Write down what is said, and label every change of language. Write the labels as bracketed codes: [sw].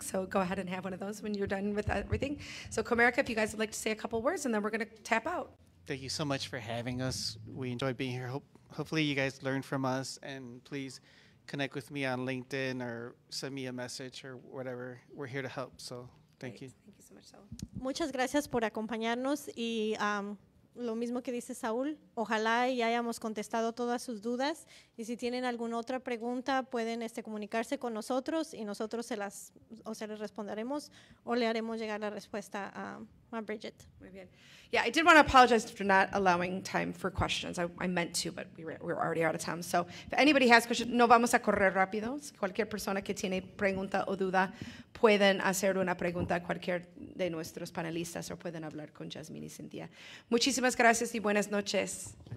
[en] So go ahead and have one of those when you're done with everything. So Comerica, if you guys would like to say a couple words, and then we're going to tap out. Thank you so much for having us. We enjoyed being here. Hopefully you guys learned from us, and please connect with me on LinkedIn or send me a message or whatever. We're here to help. So thank you. Thank you so much, Saul. [es] Muchas gracias por acompañarnos. Y lo mismo que dice Saul, ojalá y hayamos contestado todas sus dudas. Y si tienen alguna otra pregunta, pueden comunicarse con nosotros y nosotros se les responderemos o le haremos llegar la respuesta a Bridget. Muy bien. [en] Yeah, I did want to apologize for not allowing time for questions. I meant to, but we were already out of time. So if anybody has questions, [es] no vamos a correr rápido. Si cualquier persona que tiene pregunta o duda, pueden hacer una pregunta a cualquier de nuestros panelistas o pueden hablar con Jasmine y Cynthia. Muchísimas gracias y buenas noches.